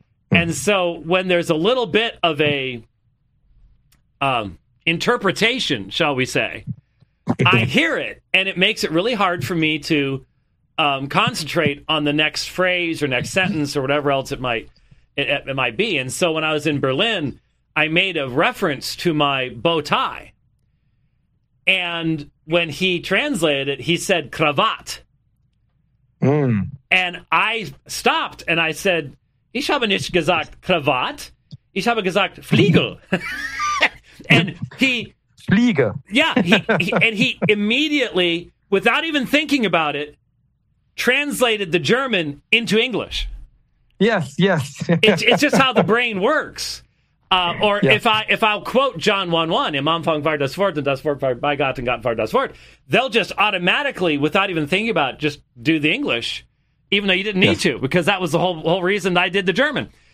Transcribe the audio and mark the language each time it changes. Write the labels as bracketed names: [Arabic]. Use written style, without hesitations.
[English] And so when there's a little bit of a interpretation, shall we say, I hear it, and it makes it really hard for me to concentrate on the next phrase or next sentence or whatever else it might be. And so when I was in Berlin, I made a reference to my bow tie. And when he translated it, he said cravat. And I stopped and I said, [German] ich habe nicht gesagt cravat, ich habe gesagt Fliegel. [English] And he, [German] Flieger. [English] Yeah, he immediately, without even thinking about it, translated the German into English. Yes, yes. it's just how the brain works. If I'll quote John 1:1, [German] im Anfang war das Wort, [English] und das Wort war bei Gott, und Gott war das Wort, they'll just automatically, without even thinking about it, just do the English, even though you didn't need to, because that was the whole reason I did the German.